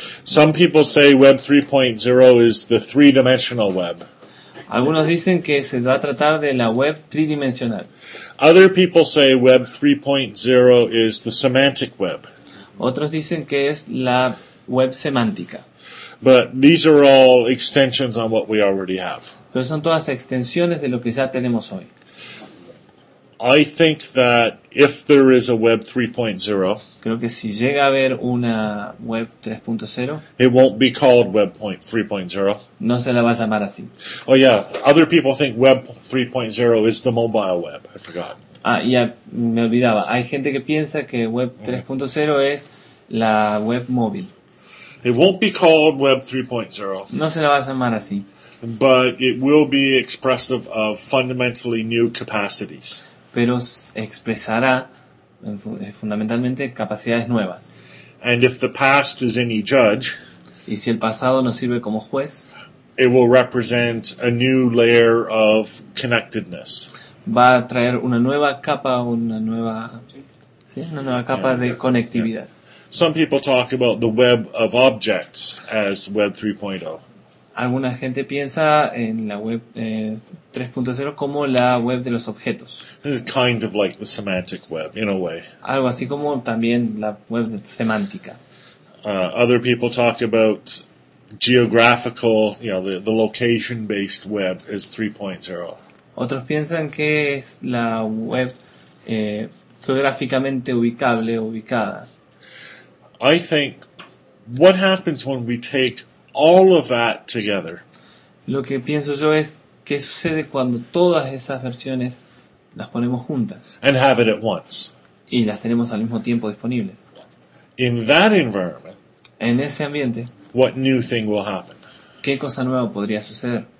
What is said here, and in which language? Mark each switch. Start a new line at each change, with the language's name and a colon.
English: Some people say Web 3.0 is the three-dimensional web.
Spanish: Algunos dicen que se va a tratar de la web tridimensional.
English: Other people say Web 3.0 is the semantic web.
Spanish: Otros dicen que es la web semántica.
English: But these are all extensions on what we already have.
Spanish: Pero son todas extensiones de lo que ya tenemos hoy.
English: I think that if there is a Web 3.0,
Spanish: creo que si llega a haber una Web 3.0,
English: it won't be called Web 3.0.
Spanish: No se la va a llamar así.
English: Oh yeah, other people think Web 3.0 is the mobile web. I forgot.
Spanish: Ah, ya me olvidaba. Hay gente que piensa que Web 3.0 es la web móvil.
English: It won't be called Web 3.0.
Spanish: No se la va a llamar así.
English: But it will be expressive of fundamentally new capacities.
Spanish: Pero expresará fundamentalmente capacidades nuevas.
English: And if the past is any judge,
Spanish: y si el pasado nos sirve como juez,
English: it will represent a new layer of connectedness.
Spanish: Va a traer una nueva capa, una nueva capa de conectividad.
English: Yeah. Some people talk about the web of objects as Web 3.0.
Spanish: Alguna gente piensa en la web 3.0 como la web de los objetos.
English: This is kind of like the semantic web, in a way.
Spanish: Algo así como también la web semántica.
English: Other people talk about geographical, you know, the location-based web as 3.0.
Spanish: Otros piensan que es la web geográficamente ubicable, ubicada.
English: I think, what happens when we take all of that together?
Spanish: Lo que pienso yo es, ¿qué sucede cuando todas esas versiones las ponemos juntas?
English: And have it at once.
Spanish: Y las tenemos al mismo tiempo disponibles.
English: In that environment,
Spanish: en ese ambiente,
English: what new thing will happen?
Spanish: ¿Qué cosa nueva podría suceder?